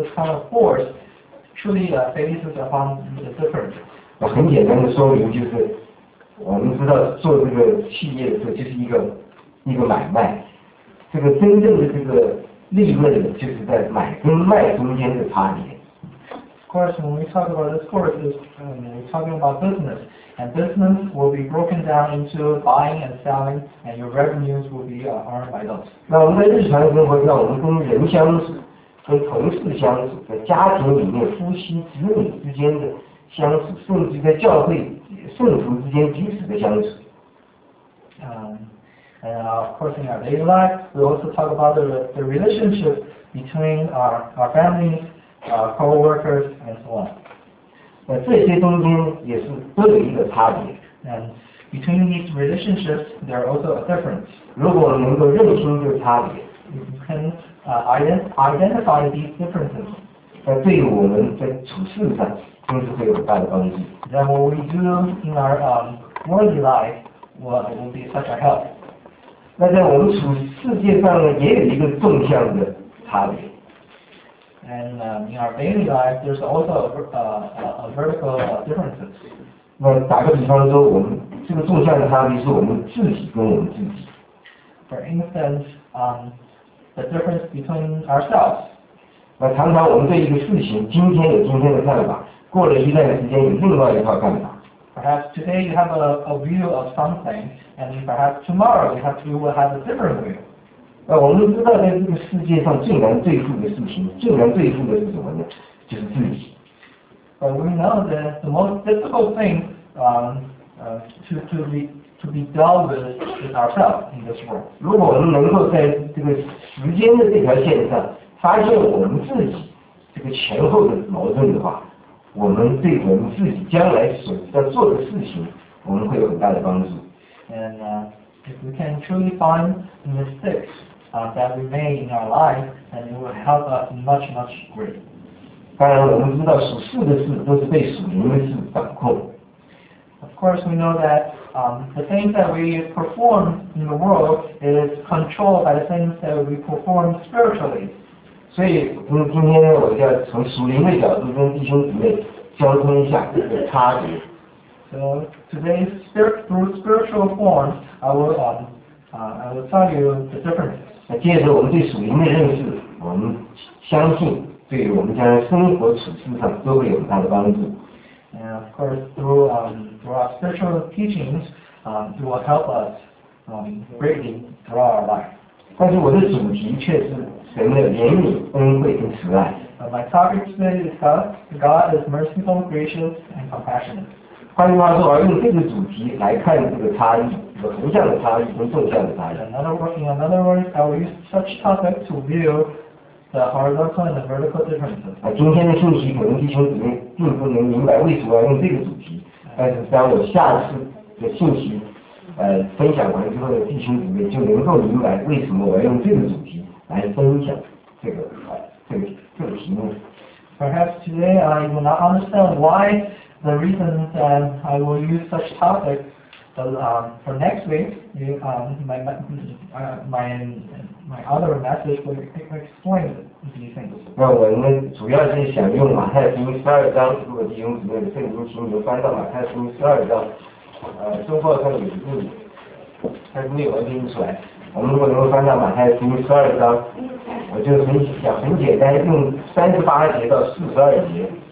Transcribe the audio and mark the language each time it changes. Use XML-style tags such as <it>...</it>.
<en>this kind of force truly bases upon the difference.</en> <zh>我很简单的说明就是，我们知道做这个企业的时候就是一个买卖，这个真正的这个利润就是在买跟卖中间的差别。</zh> <en>Of course, when we talk about this course, we're talking about business. And business will be broken down into buying and selling, and your revenues will be earned by those.</en> <zh>那我们在日常生活上，我们跟人相处、跟同事相处、在家庭里面、夫妻、子女之间的相处，甚至在教会、圣徒之间彼此的相处。</zh> <en>And of course, in our daily life, we also talk about the relationship between our families. Co-workers and so on.</en> <zh>那这些中间也是都有一个差别。</zh> <en>And between these relationships, there are also a difference.</en> <zh>如果能够认清这个差别</zh> <en>，you can identify these differences.</en> <zh>那对于我们在处事上，真是会有很大的帮助。</zh> <en>Then what we do in our worldly life will be such a help.</en> <zh>那在我们处世界上呢，也有一个纵向的差别。</zh> <en>And in our daily life, there's also a vertical difference.</en> <zh>那打个比方说，我们这个纵向的差别是我们自己跟我们自己。</zh> <en>For instance, the difference between ourselves.</en> <zh>那常常我们对一个事情，今天有今天的看法，过了一段时间有另外一套看法。</zh> <en>Perhaps today you have a view of something, and perhaps tomorrow you will have a different view.</en> <zh>我们知道在这个世界上最难对付的事情，最难对付的是什么呢？就是自己。</zh> <en>But we know that the most difficult thing to be dealt with is ourselves in this world.</en> <zh>如果我们能够在这个时间的这条线上发现我们自己这个前后的矛盾的话，我们对我们自己将来所要做的事情，我们会有很大的帮助。</zh> <en>And if we can truly find the mistakes. That we made in our life, and it will help us much, much greater.</en> <zh>当然，我们知道属世的事都是被属灵的事掌控。</zh> <en>Of course, we know that the things that we perform in the world is controlled by the things that we perform spiritually.</en> <zh>所以，今天我要从属灵的角度跟弟兄姊妹交通一下这个差别。</zh> <en>So today, through spiritual form, I will tell you the difference.</en> <zh>那借着我们对属灵的认识，我们相信对我们将来生活处事上都会有很大的帮助。</zh> <en>And of course, through our spiritual teachings, it will help us greatly throughout our life.</en> <zh>但是我的主题却是神的怜悯、恩惠跟慈爱。</zh> <en>My topic today is God is merciful, gracious, and compassionate.</en> <zh>换句话说，用这个主题来看这个差异。横向的差异跟纵向的差异。</zh> <en>In other words, I will use such topic to view the horizontal and the vertical differences.</en> <zh>今天的信息可能弟兄姊妹并不能明白为什么要用这个主题，但是当我下次的信息分享完之后的弟兄姊妹就能够明白为什么我要用这个主题来分享这个题目。</zh> <en>Perhaps today I will not understand why the reason that I will use such topic. For next week, my other message will explain these things.</en> <zh>那我们主要是想用马太福音十二章，如果弟兄姊妹的圣经请您翻到马太福音十二章，周报上有一部，但是没有印出来。我们如果能够翻到马太福音十二章，我就很简单，用38节到42节。</zh>